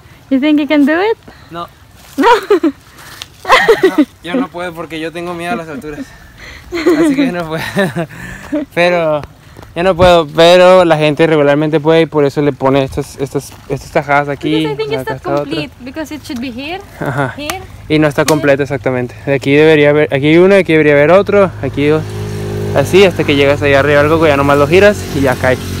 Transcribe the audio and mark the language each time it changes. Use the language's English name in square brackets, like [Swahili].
[English] You think you can do it? No. No. [Spanish] Yo no puedo porque yo tengo miedo a las alturas. Así que no puedo. Pero yo no puedo, pero la gente regularmente puede y por eso le pone estas tajadas aquí. [English] Because I think it's not complete because it should be here. [Spanish] Y no está completo exactamente. De aquí debería haber, aquí hay uno, aquí debería haber otro, aquí dos. Así hasta que llegas ahí arriba, algo que ya nomás lo giras y ya cae.